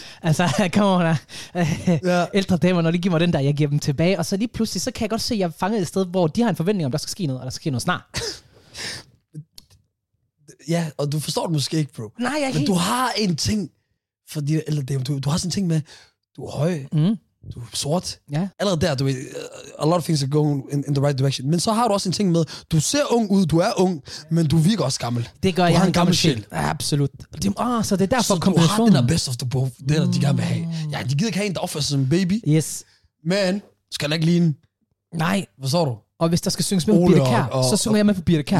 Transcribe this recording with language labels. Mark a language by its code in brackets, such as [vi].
[da] Altså, [en] come on, [da] ældre damer, når de giver mig den der, jeg giver dem tilbage, og så lige pludselig, så kan jeg godt se, at jeg er fanget et sted, hvor de har en forventning om, der skal ske noget, og der skal ske noget snart. Ja, og du forstår det måske ikke, bro. Nej, jeg ikke. Men du har en ting for de ældre damer, du har sådan en ting med, du er høj, du er sort. Ja. Allerede der, du ved, [en] a lot of things are going in the right direction. [da] Men så har du også en ting med, du ser ung ud, du er ung, men du virker også gammel. Det gør du, jeg har en gammel sjæl. Absolut. Så det er derfor kompensationen. Så du har den der [en] best of the both, [da] det der de gerne vil have. Ja, de gider ikke have en, der opfører sig som en baby. Yes. Men, skal jeg ikke ligne? Nej. Hvad så du? Og hvis der skal synges med på Birte Kær, så synger jeg med på Birte Kær.